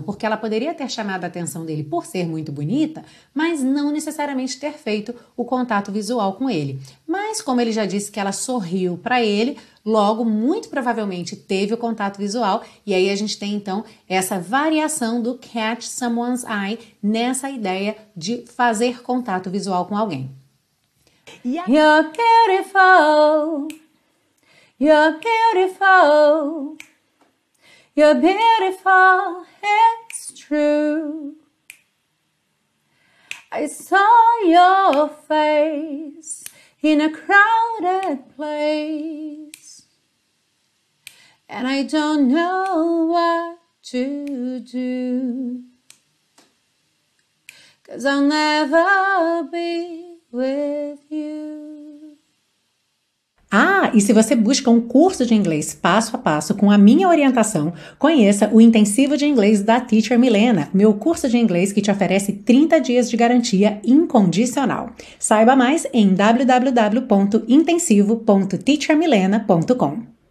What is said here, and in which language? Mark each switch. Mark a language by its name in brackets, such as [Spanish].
[Portuguese] Porque ela poderia ter chamado a atenção dele por ser muito bonita, mas não necessariamente ter feito o contato visual com ele. Mas, como ele já disse que ela sorriu para ele, logo, muito provavelmente teve o contato visual, e aí a gente tem então essa variação do catch someone's eye nessa ideia de fazer contato visual com alguém. [English] You're beautiful, you're beautiful, you're beautiful, it's true. I saw your face in a crowded place. And I don't know what to do. Cause I'll never be with you. [Portuguese] Ah, e se você busca um curso de inglês passo a passo com a minha orientação, conheça o Intensivo de Inglês da Teacher Milena, meu curso de inglês que te oferece 30 dias de garantia incondicional. Saiba mais em www.intensivo.teachermilena.com.